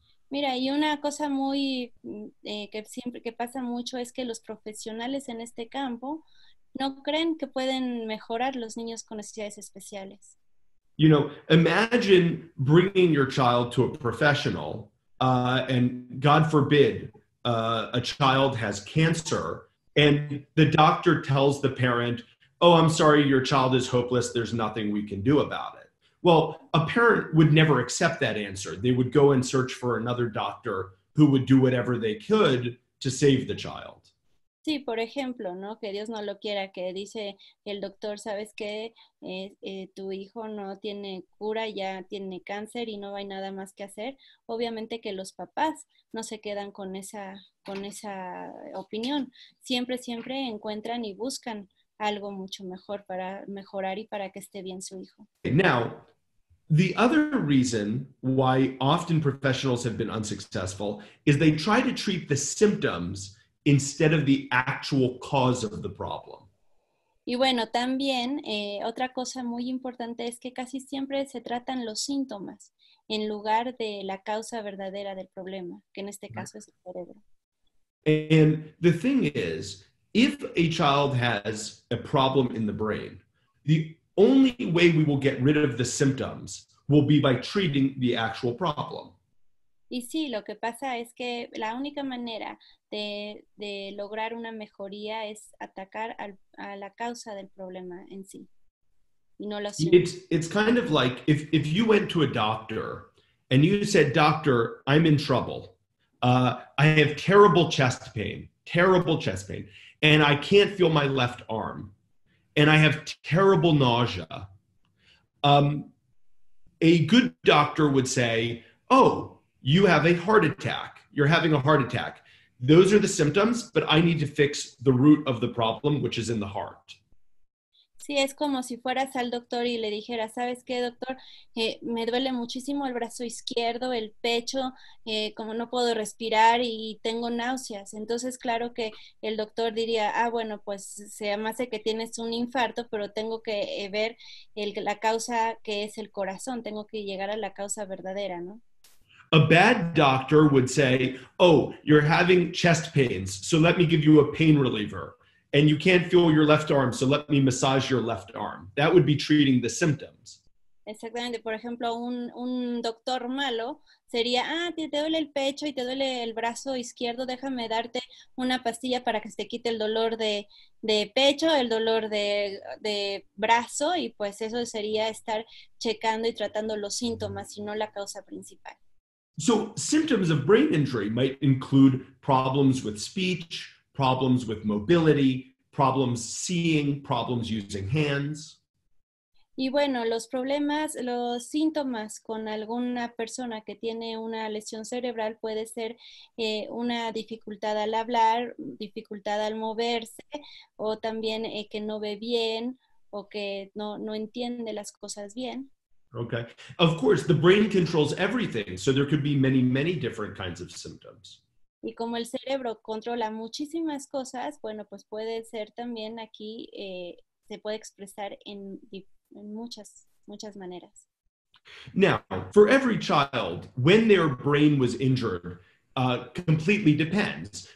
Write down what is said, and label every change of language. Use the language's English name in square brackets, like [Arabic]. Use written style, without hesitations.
[Spanish] Mira, y una cosa muy que pasa mucho es que los profesionales en este campo no creen que pueden mejorar los niños con necesidades especiales. [English] You know, imagine bringing your child to a professional and God forbid a child has cancer and the doctor tells the parent, "Oh, I'm sorry, your child is hopeless. There's nothing we can do about it." Well, a parent would never accept that answer. They would go and search for another doctor who would do whatever they could to save the child. [Spanish] Sí, por ejemplo, ¿no? Que Dios no lo quiera, que dice el doctor, ¿sabes qué? Tu hijo no tiene cura, ya tiene cáncer y no hay nada más que hacer. Obviamente que los papás no se quedan con esa opinión. Siempre encuentran y buscan algo mucho mejor para mejorar y para que esté bien su hijo. [English] Now, the other reason why often professionals have been unsuccessful is they try to treat the symptoms instead of the actual cause of the problem. [Spanish] Y bueno, también otra cosa muy importante es que casi siempre se tratan los síntomas en lugar de la causa verdadera del problema, que en este caso es el cerebro. [English] And the thing is, if a child has a problem in the brain, the only way we will get rid of the symptoms will be by treating the actual problem. [Spanish] Y sí, lo que pasa es que la única manera de lograr una mejoría es atacar a la causa del problema en sí. Y no lo siento. [English] It's kind of like if you went to a doctor and you said, "Doctor, I'm in trouble. I have terrible chest pain, and I can't feel my left arm, and I have terrible nausea." A good doctor would say, "Oh, you have a heart attack. You're having a heart attack. Those are the symptoms, but I need to fix the root of the problem, which is in the heart." [Spanish] Sí, es como si fueras al doctor y le dijeras, ¿sabes qué, doctor? Me duele muchísimo el brazo izquierdo, el pecho, como no puedo respirar y tengo náuseas. Entonces, claro que el doctor diría, ah, bueno, pues se llama sé que tienes un infarto, pero tengo que ver la causa que es el corazón. Tengo que llegar a la causa verdadera, ¿no? [English] A bad doctor would say, "Oh, you're having chest pains, so let me give you a pain reliever. And you can't feel your left arm, so let me massage your left arm." That would be treating the symptoms. [Spanish] Exactamente. Por ejemplo, un doctor malo sería, ah, te duele el pecho y te duele el brazo izquierdo, déjame darte una pastilla para que se quite el dolor de pecho, el dolor de brazo, y pues eso sería estar checando y tratando los síntomas y no la causa principal. [English] So symptoms of brain injury might include problems with speech, problems with mobility, problems seeing, problems using hands. [Spanish] Y bueno, los problemas, los síntomas con alguna persona que tiene una lesión cerebral puede ser una dificultad al hablar, dificultad al moverse, o también que no ve bien, o que no entiende las cosas bien. [English] Okay. Of course, the brain controls everything, so there could be many, many different kinds of symptoms. [Spanish] Y como el cerebro controla muchísimas cosas, bueno, pues puede ser también aquí, se puede expresar en muchas, muchas maneras. [English] Now, for every child, when their brain was injured, completely depends.